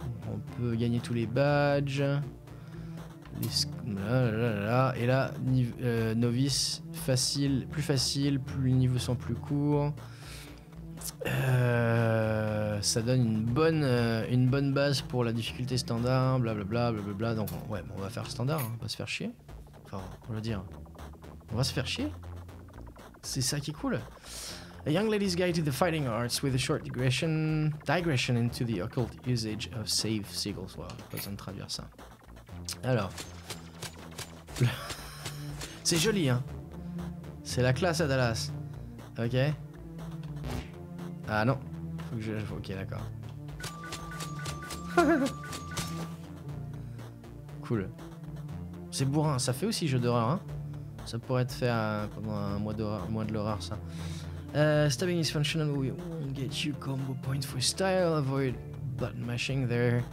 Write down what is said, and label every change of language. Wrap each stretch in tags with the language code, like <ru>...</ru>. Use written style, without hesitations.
<fr>On peut gagner tous les badges. Et là, novice, facile, plus facile, plus les niveaux sont plus courts. Ça donne une bonne base pour la difficulté standard, blablabla, blablabla. Donc ouais, on va faire standard, hein, on va se faire chier. Enfin, on va dire, on va se faire chier. C'est ça qui est cool.</fr> <en>A young lady's guide to the fighting arts with a short digression into the occult usage of save seagulls.</en> <fr>Wow, pas besoin de traduire ça. Alors, c'est joli, hein. C'est la classe à Dallas. Ok. Ah non, faut que je... Ok, d'accord. Cool. C'est bourrin, ça fait aussi jeu d'horreur, hein. Ça pourrait être fait pendant un mois de l'horreur, ça.</fr> <en>Stabbing is functional, we won't get you combo points for style, avoid button mashing there.</en>